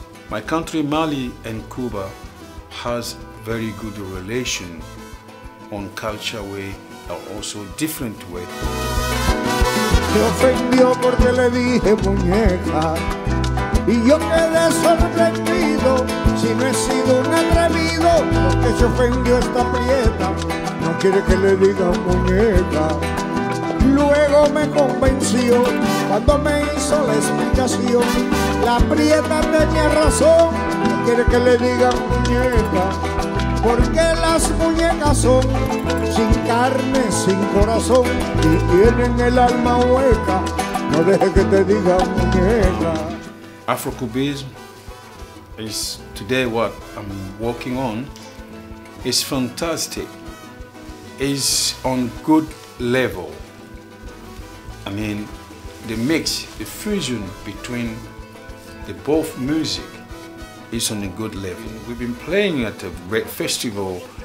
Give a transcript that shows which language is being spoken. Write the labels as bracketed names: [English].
[English] My country Mali and Cuba has very good relation on culture way, and also different way. [Spanish] Me ofendió porque le dije muñeca, y yo quedé sorprendido. Si no he sido un atrevido, porque se ofendió esta prieta, no quiere que le diga muñeca. Luego me convenció cuando me hizo la explicación. La prieta tenía razón, no quiere que le digan muñeca, porque las muñecas son sin carne, sin corazón, y tienen el alma hueca, no deje que te digan muñeca. [English] Afrocubism is today what I'm working on. It's fantastic. It's on good level. I mean, the mix, the fusion between the both music is on a good level. We've been playing at a festival